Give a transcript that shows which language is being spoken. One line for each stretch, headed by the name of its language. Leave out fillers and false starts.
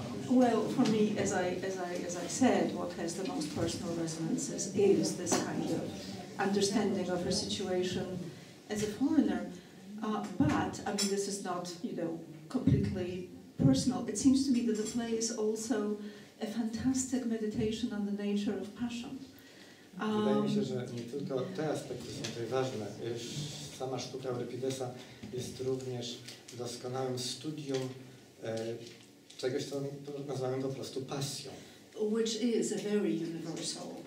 English: Well, for me, as I said, what has the most personal resonance is this kind of understanding of her situation as a foreigner. But I mean, this is not, you know, completely personal. It seems to me that the play is also a fantastic meditation on the nature of passion.
Polish: Wydaje mi się, że nie tylko te aspekty są tutaj ważne. Sama sztuka Euripidesa jest również doskonałym studium czegoś, co nazywamy po prostu pasją.
English: Which is a very universal.